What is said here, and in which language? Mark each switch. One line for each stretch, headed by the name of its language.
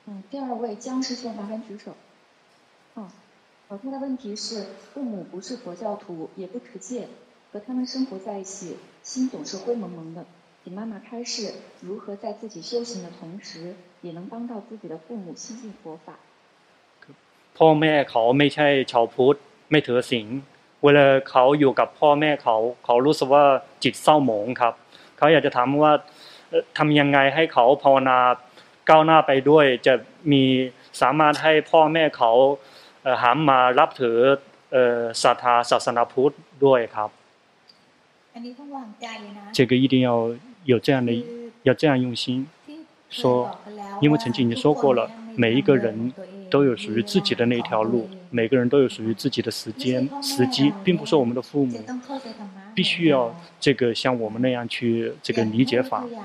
Chinese: 第二位江师兄麻烦举手。他的问题是，父母不是佛教徒也不持戒，和他们生活在一起心总是灰蒙蒙的，请妈妈开示如何在自己修行的同时也能帮到自己的父母亲近佛法。
Thai: พ่อแม่เขาไม่ใช่ชาวพุทธไม่ถือศีลเวลาเขาอยู่กับพ่อแม่เขารู้สึกว่าจิตเศร้าหมองครับเขาอยากจะถามว่าทำยังไงให้เขาภาวนาก้าวหน้าไปด้วยจะมีสามารถให้พ่อแม่เขาหันมารับถือศรัทธาศาสนาพุทธด้วยครับ อันนี้ต้องวางใ จนะ
Chinese: 这个一定要有这样的要这样用心说，因为曾经已经说过了，每一个人都有属于自己的那条路，每个人都有属于自己的时间时机，并不是我们的父母必须要这个像我们那样去这个理解法。